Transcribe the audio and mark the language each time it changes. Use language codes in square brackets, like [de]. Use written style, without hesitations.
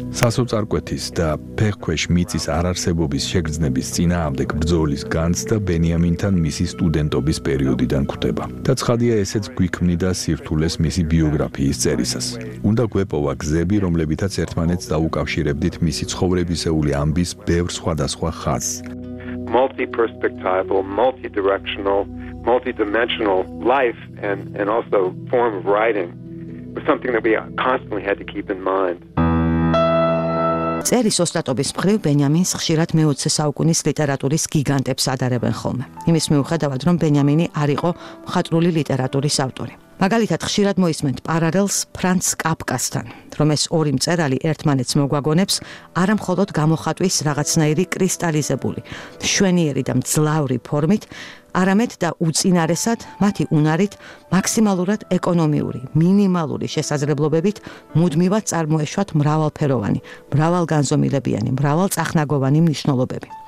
[ka] სასოწარკვეთის და ფეხქვეშ მიწის არარსებობის შეგრძნების წინააღმდეგ ბრძოლის განცდა ბენიამინთან მისი სტუდენტობის პერიოდიდან გვხვდება. და ცხადია, ესეც გვიქმნიდა სირთულეს მისი ბიოგრაფიის წერისას. უნდა გვეპოვა გზები, რომლებითაც ერთმანეთს დაუკავშირებდით მისი ცხოვრებისეული ამბის ბევრ სხვადასხვა ხაზს. [en] Multi-perspectival, multi-directional, multi-dimensional life and also form of writing was something that we constantly had to keep in mind. [ka] წერის ოსტატობის მხრივ ბენიამინს ხშირად მეოცე საუკუნის ლიტერატურის გიგანტებს ადარებენ ხოლმე. იმის მიუხედავად, რომ ბენიამინი არ იყო მხატვრული ლიტერატურის ავტორი. მაგალითად, ხშირად მოისმენთ პარალელს ფრანც კაპკასთან, რომ ეს ორი მწერალი ერთმანეთს მოგვაგონებს არამხოლოდ გამოხატვის რაღაცნაირი კრისტალიზებული, შვენიერი და მძლავრი ფორმით, არამედ და უწინარესად მათი უნარით მაქსიმალურად ეკონომიური, მინიმალური შესაძლებლობებით მუდმივად წარმოეშვათ მრავალფეროვანი, მრავალგანზომილებიანი, მრავალწახნაგოვანი მნიშვნელობები.